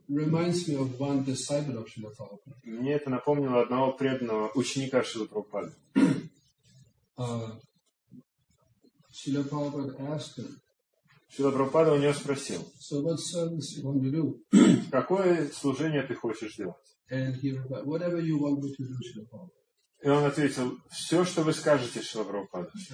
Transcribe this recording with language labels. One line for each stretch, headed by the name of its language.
English: Reminds me of one disciple of Śrīla Prabhupāda.
Russian: Мне это напомнило одного преданного ученика Śrīla Prabhupāda.
English: Śrīla Prabhupāda asked him.
Russian: Śrīla Prabhupāda у него спросил.
English: So what service you want to do?
Russian: Какое служение ты хочешь делать?
English: And he replied, whatever you want me to do, Śrīla Prabhupāda.
Russian: И он ответил, все, что вы скажете, Шрила Прабхупада.